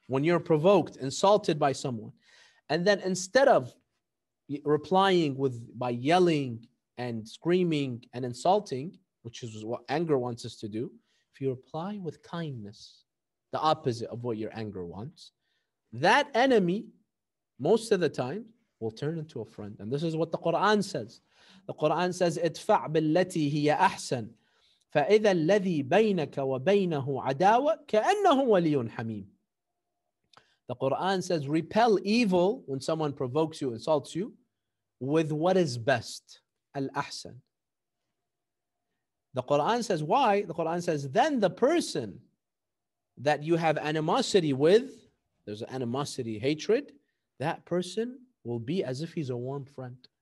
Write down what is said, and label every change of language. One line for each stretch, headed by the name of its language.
English: When you're provoked, insulted by someone, and then instead of replying with by yelling and screaming and insulting, which is what anger wants us to do, if you reply with kindness, the opposite of what your anger wants, that enemy, most of the time, will turn into a friend. And this is what the Quran says. The Quran says,
Arabic: اِدْفَعْ بِالَّتِي هِيَ أَحْسَنُ فَإِذَا الَّذِي بَيْنَكَ وَبَيْنَهُ عَدَاوَةٌ كَأَنَّهُ وَلِيٌّ حَمِيمٌ.
English: The Quran says, repel evil when someone provokes you, insults you, with what is best, al-ahsan. The Quran says, why? The Quran says, then the person that you have animosity with, there's animosity, hatred, that person will be as if he's a warm friend.